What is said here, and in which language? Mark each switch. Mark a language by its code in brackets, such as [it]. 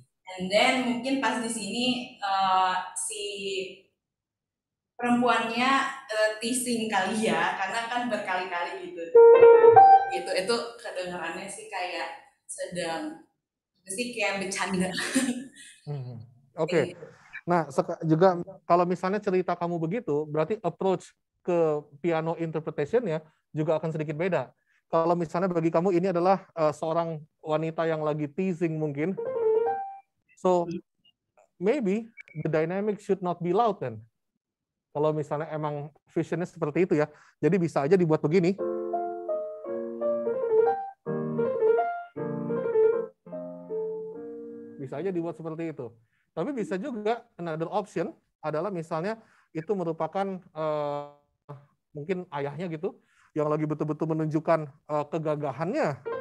[id] And then mungkin pas di sini si perempuannya teasing kali ya, karena kan berkali-kali gitu itu kedengarannya sih kayak sedang mesti kayak bercanda. Okay. Nah, juga kalau misalnya cerita kamu begitu, berarti approach ke piano interpretation-nya juga akan sedikit beda. Kalau misalnya bagi kamu ini adalah seorang wanita yang lagi teasing mungkin. [en] So, maybe the dynamic should not be loud then. [id] Kalau misalnya emang vision-nya seperti itu ya. Jadi bisa aja dibuat begini. Bisa aja dibuat seperti itu. Tapi bisa juga [en] another option [id] adalah misalnya itu merupakan mungkin ayahnya gitu yang lagi betul-betul menunjukkan kegagahannya.